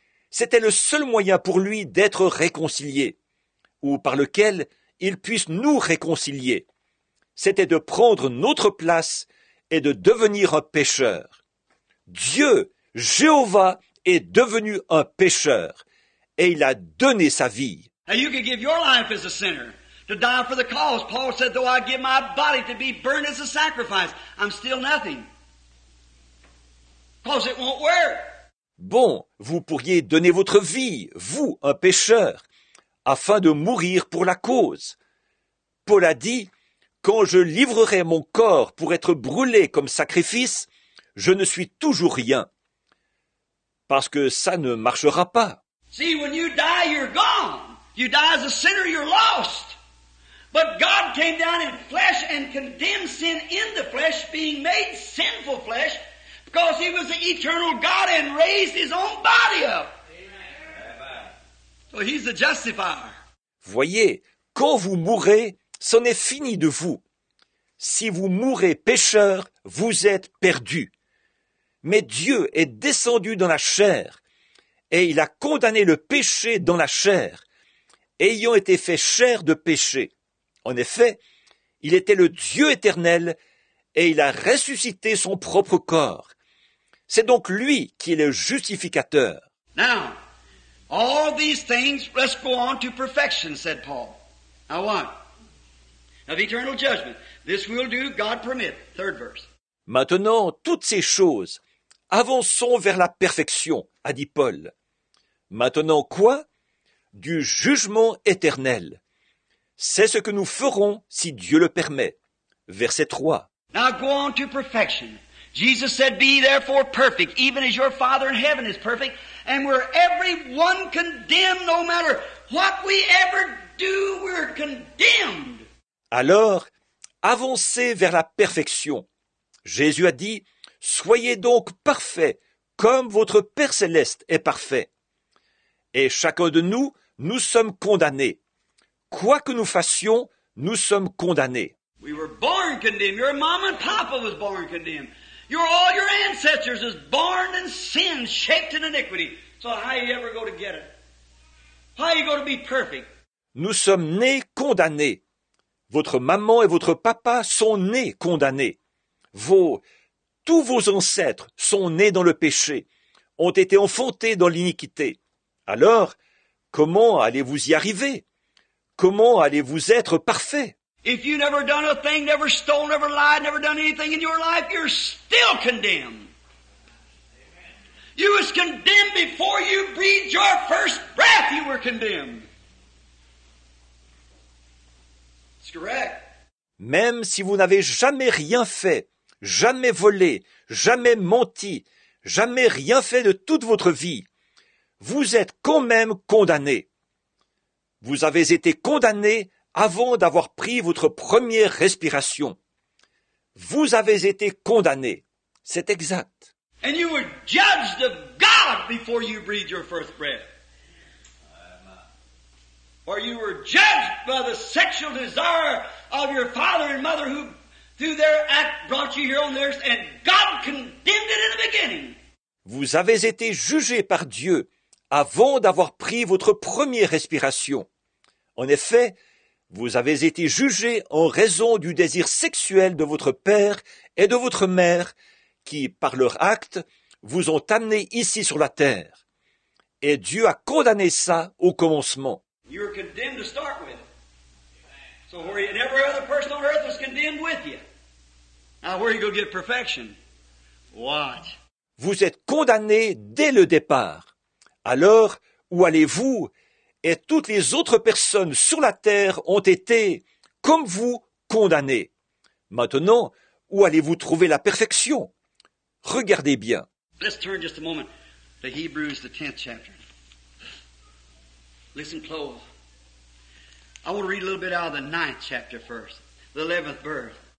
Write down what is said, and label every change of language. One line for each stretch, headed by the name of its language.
French: C'était le seul moyen pour lui d'être réconcilié, ou par lequel il puisse nous réconcilier. C'était de prendre notre place et de devenir un pécheur. Dieu, Jéhovah, est devenu un pécheur, et il a donné sa vie.
English: And you could give your life as a sinner to die for the cause. Paul said, though I give my body to be burned as a sacrifice, I'm still nothing. Because it won't work.
French: Bon, vous pourriez donner votre vie, vous, un pécheur, afin de mourir pour la cause. Paul a dit, quand je livrerai mon corps pour être brûlé comme sacrifice, je ne suis toujours rien. Parce que ça ne marchera pas.
English: See, when you die, you're gone. You die as a sinner, you're lost. But God came down in flesh and condemned sin in the flesh, being made sinful flesh, because he was the eternal God and raised his own body up. Amen. So he's the justifier.
French: Voyez, quand vous mourrez, c'en est fini de vous. Si vous mourrez pécheur, vous êtes perdu. Mais Dieu est descendu dans la chair, et il a condamné le péché dans la chair, ayant été fait chair de péché. En effet, il était le Dieu éternel et il a ressuscité son propre corps. C'est donc lui qui est le justificateur.
English: Now, all these things, let's go on to perfection, said Paul. Now what? Of eternal judgment. This will do, God permit. Third verse.
French: Maintenant, toutes ces choses, avançons vers la perfection, a dit Paul. Maintenant quoi? Du jugement éternel. C'est ce que nous ferons si Dieu le permet. Verset 3.
English: Now go on to perfection. Jesus said, be therefore perfect, even as your Father in heaven is perfect, and we're every one condemned, no matter what we ever do, we're condemned.
French: Alors, avancez vers la perfection. Jésus a dit, soyez donc parfaits, comme votre Père céleste est parfait. Et chacun de nous, nous sommes condamnés. Quoi que nous fassions, nous sommes condamnés.
English: We were born condemned. Your mom and papa was born condemned. All your ancestors was born in sin, shaped in iniquity. So how are you ever going to get it? How are you going to be perfect?
French: Nous sommes nés condamnés. Votre maman et votre papa sont nés condamnés. Tous vos ancêtres sont nés dans le péché, ont été enfantés dans l'iniquité. Alors, comment allez-vous y arriver? Comment allez-vous être parfait?
English: If you never done a thing, never stole, never lied, never done anything in your life, you're still condemned. You was condemned before you breathed your first breath, you were condemned. It's correct.
French: Même si vous n'avez jamais rien fait, jamais volé, jamais menti, jamais rien fait de toute votre vie, vous êtes quand même condamné. Vous avez été condamné avant d'avoir pris votre première respiration. Vous avez été condamné. C'est exact.
English: And you were judged of God before you breathed your first breath. Or you were judged by the sexual desire of your father and mother who through their act brought you here on earth and God condemned it in the beginning.
French: Vous avez été jugé par Dieu avant d'avoir pris votre première respiration. En effet, vous avez été jugé en raison du désir sexuel de votre père et de votre mère qui, par leur acte, vous ont amené ici sur la terre. Et Dieu a condamné ça au commencement.
English: You're condemned to start with. So where you, and every other person on earth is condemned with you. Now where are you going to get perfection? Watch.
French: Vous êtes condamné dès le départ. Alors, où allez-vous? Et toutes les autres personnes sur la terre ont été, comme vous, condamnées. Maintenant, où allez-vous trouver la perfection? Regardez bien.
English: Let's turn just a moment to Hebrews, the 10th chapter. Listen close. I want to read a little bit out of the 9th chapter first, the 11th verse.